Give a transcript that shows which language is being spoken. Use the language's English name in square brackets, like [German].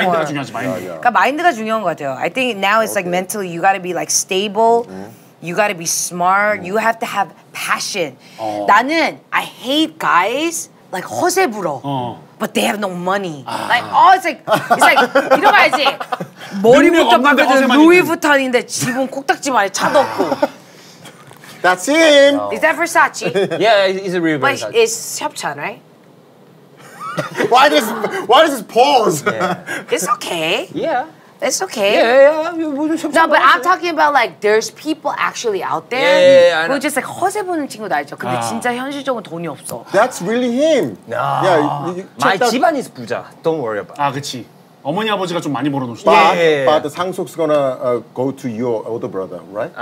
[Korean] 마인드가 중요하지, 마인드. 그러니까 마인드가 중요한 것 같아요. [English] I think now it's like mentally, you gotta be like stable, you gotta be smart, you have to have passion. [Korean] 나는 [English] I hate guys like [Korean] 허세 부러. [English] But they have no money. It's like [Korean] 이런 거 알지? 머리부터 바꿔서 루이부탄인데 집은 꼭딱지만 해, 차도 없고. [English] That's him! Oh. Is that Versace? Yeah, it's a real but Versace. But it's 협찬, right? Why does this pause? Yeah. It's okay. Yeah. It's okay. Yeah. No, but I'm talking about like there's people actually out there. Yeah. Who just like [Korean] 허세 보는 친구도 알죠. 근데 진짜 현실적으로 돈이 없어. [English] That's really him. Nah. Yeah. My [Korean] 집안이 부자. [English] Don't worry about. [Korean] 아, 그렇지. 어머니 아버지가 좀 많이 벌어 놓으시다. [English] Yeah. But the 상속's gonna go to your older brother, right?